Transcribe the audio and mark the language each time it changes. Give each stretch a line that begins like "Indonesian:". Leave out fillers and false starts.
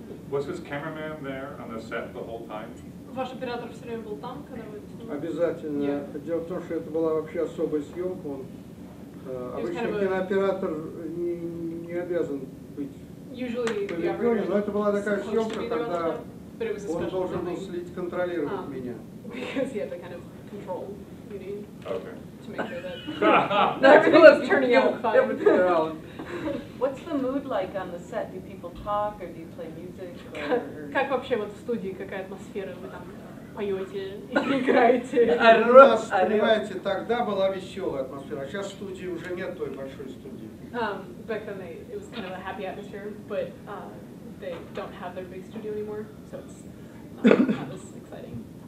English: Was his cameraman there on the set the whole time?
Russian: Ваш оператор все время был там, когда вы... Обязательно.
English: Yeah.
Russian: Дело в том, что это была вообще особая съемка. Он, обычно
English: kind of
Russian: кинооператор не обязан быть
English: Usually
Russian: в регионе, но это была такая съемка, когда он должен был следить, контролировать меня.
English: Because he had the kind of control you need. Okay. To make sure that everything was turning out fine. What's the mood like on the set? Do people talk or do you play music?
Russian: Как вообще вот в студии, какая атмосфера? Вы там поете или играете? У нас, понимаете, тогда была веселая атмосфера. Сейчас в студии уже нет той большой студии.
English: Back then it was kind of a happy atmosphere, but they don't have their big studio anymore, so it's not as exciting.